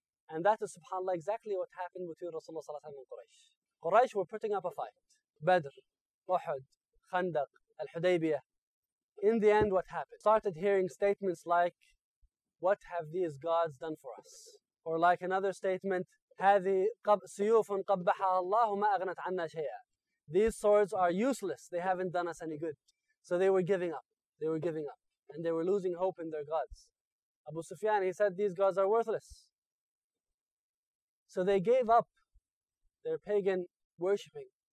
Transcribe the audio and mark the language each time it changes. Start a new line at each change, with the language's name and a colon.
English: And that is, subhanAllah, exactly what happened between Rasulullah sallallahu alayhi wa sallam and Quraysh. Quraysh were putting up a fight. Badr, Uhud, Khandaq, Al-Hudaybiyah. In the end, what happened? Started hearing statements like, what have these gods done for us? Or like another statement,
Arabic: هذه سيوفٌ قبحها الله ما أغنت عنا شيئا.
English: These swords are useless. They haven't done us any good. So they were giving up. They were giving up. And they were losing hope in their gods. Abu Sufyan, he said, these gods are worthless. So they gave up their pagan worshipping.